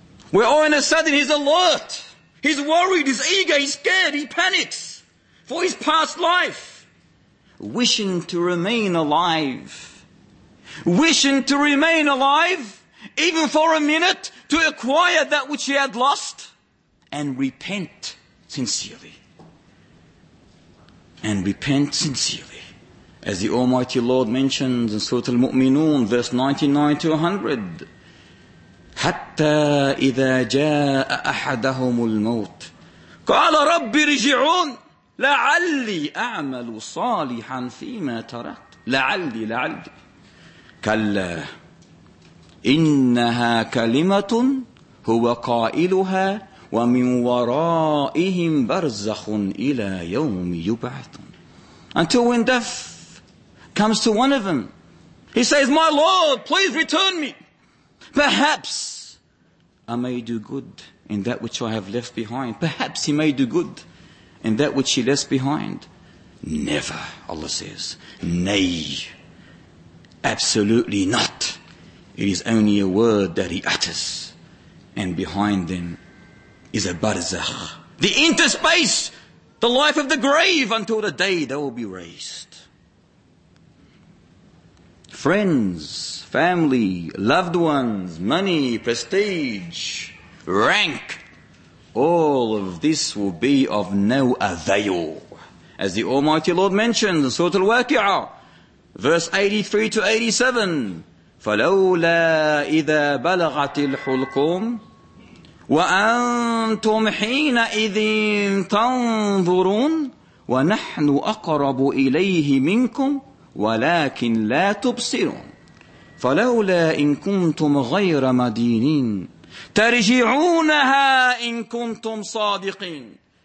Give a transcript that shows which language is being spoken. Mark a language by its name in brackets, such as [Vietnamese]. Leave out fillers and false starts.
[English] Where all of a sudden he's alert, he's worried, he's eager, he's scared, he panics for his past life, wishing to remain alive. Wishing to remain alive, even for a minute, to acquire that which he had lost, and repent sincerely. and repent sincerely. As the Almighty Lord mentions in Surah Al-Mu'minun, verse 99-100, [Arabic] حَتَّى إِذَا جَاءَ أَحَدَهُمُ الْمَوْتِ قَالَ رَبِّ رِجِعُونَ لَعَلِّي أَعْمَلُ صَالِحًا فِي مَا تَرَكْتُ لَعَلِّي كَلَّا إِنَّهَا كَلِمَةٌ هُوَ قَائِلُهَا وَمِن وَرَائِهِمْ بَرْزَخٌ إِلَى يَوْمِ يُبْعَثُونَ. [English] Until when death comes to one of them, he says, my Lord, please return me. Perhaps I may do good in that which I have left behind. Perhaps he may do good in that which he left behind. Never, Allah says. Nay, absolutely not. It is only a word that he utters. And behind them is a barzakh, the interspace, the life of the grave until the day they will be raised. Friends, family, loved ones, money, prestige, rank, all of this will be of no avail. As the Almighty Lord mentions in Surah Al-Waqi'ah, verse 83-87, [Arabic] فَلَوْلَا إِذَا بَلَغَتِ الْحُلْقُومِ وَأَنْتُمْ حِينَ إِذٍ تَنْظُرُونَ وَنَحْنُ أَقْرَبُ إِلَيْهِ مِنْكُمْ وَلَكِنْ لَا تُبْصِرُونَ فَلَوْلَا إِن كُنْتُمْ غَيْرَ مَدِينِينَ تَرْجِعُونَهَا إِن كُنْتُمْ صَادِقِينَ.